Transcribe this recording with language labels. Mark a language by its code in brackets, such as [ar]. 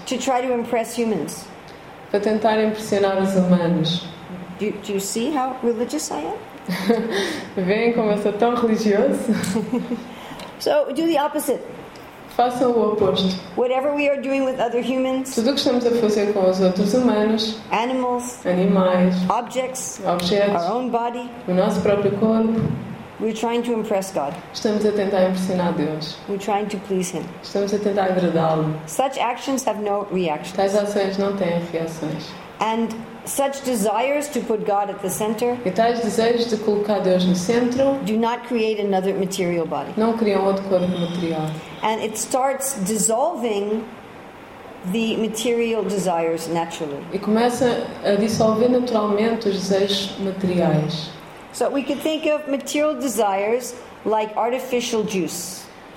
[en] To try to impress humans. [pt] Para tentar impressionar os humanos. [en] Do you see how religious I am? [pt] Vêem como eu sou tão religioso? [en] So do the opposite. [pt] Faça o oposto. [en] Whatever we are doing with other humans. [pt] Tudo o que estamos a fazer com os outros humanos. [en] Animals. [pt] Animais. [en] Objects. [pt] Objetos. [en] Our own body. [pt] O nosso próprio corpo. [en] We're trying to impress God. [pt] Estamos a tentar impressionar Deus. [en] We're trying to please Him. [pt] Estamos a tentar agradá-lo. [en] Such actions have no reactions. [pt] Tais ações não têm reações. [en] And such desires to put God at the center. [pt] E tais desejos de colocar Deus no centro. [en] Do not create another material body. [pt] Não criam outro corpo material. [en] And it starts dissolving the material desires naturally. [pt] E começa a dissolver naturalmente os desejos materiais. [en] So we could think of material desires like artificial juice.